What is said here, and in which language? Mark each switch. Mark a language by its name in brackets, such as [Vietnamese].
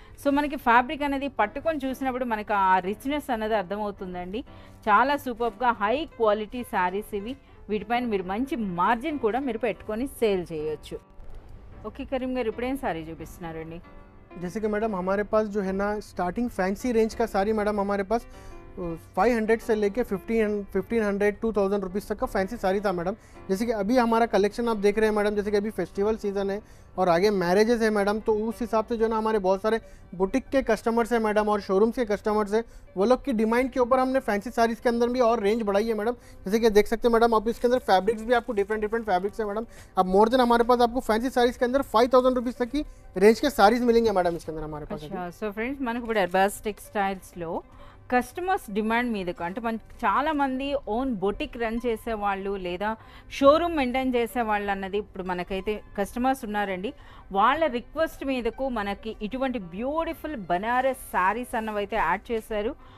[Telugu] So మనకి fabric అనేది పట్టుకొని చూసినప్పుడు మనకు ఆ రిచ్నెస్ అనేది అర్థమవుతుందండి. చాలా సూపర్గా హై క్వాలిటీ సారీస్ ఇవి, వీటిపైన మీరు మంచి మార్జిన్ కూడా మీరు పెట్టుకొని సేల్ చేయొచ్చు. ఓకే కరీం గారు, ఇప్పుడేం సారీ చూపిస్తున్నారండి? [Hindi] జెసికి మేడం, హమారే పాస్ జో హెన్ స్టార్టింగ్ ఫ్యాన్సీ రేంజ్ కా సారీ మేడం. హమారే పాస్ 500 से लेके 1500-2000 रुपीस तक का फैंसी साड़ी था मैडम. जैसे कि अभी हमारा कलेक्शन आप देख रहे हैं मैडम, जैसे कि अभी फेस्टिवल सीजन है और आगे मैरिजेस है मैडम, तो उस हिसाब से जो ना हमारे बहुत सारे बुटीक के कस्टमर्स हैं मैडम और शोरूम्स के कस्टमर्स हैं, वो लोग की डिमांड के ऊपर हमने फैंसी साड़ीज़ के अंदर भी और रेंज बढ़ाई है मैडम. जैसे कि देख सकते हैं मैडम आप, इसके अंदर फैब्रिक्स भी आपको डिफरेंट डिफरेंट फैब्रिक्स है मैडम. अब मोर देन हमारे पास आपको फैंसी साड़ीज़ के अंदर 5000 रुपीस तक की रेंज के साड़ीज़ मिलेंगे मैडम इसके अंदर हमारे पास. [Telugu] सो फ्रेंड्स, मन को बस टेक्सटाइल्स కస్టమర్స్ డిమాండ్ మీదకు, అంటే మన చాలామంది ఓన్ బొటిక్ రన్ చేసేవాళ్ళు లేదా షోరూమ్ మెయింటైన్ చేసేవాళ్ళు అన్నది ఇప్పుడు మనకైతే కస్టమర్స్ ఉన్నారండి, వాళ్ళ రిక్వెస్ట్ మీదకు మనకి ఇటువంటి బ్యూటిఫుల్ బనారస్ శారీస్ అన్నవి అయితే యాడ్ చేశారు.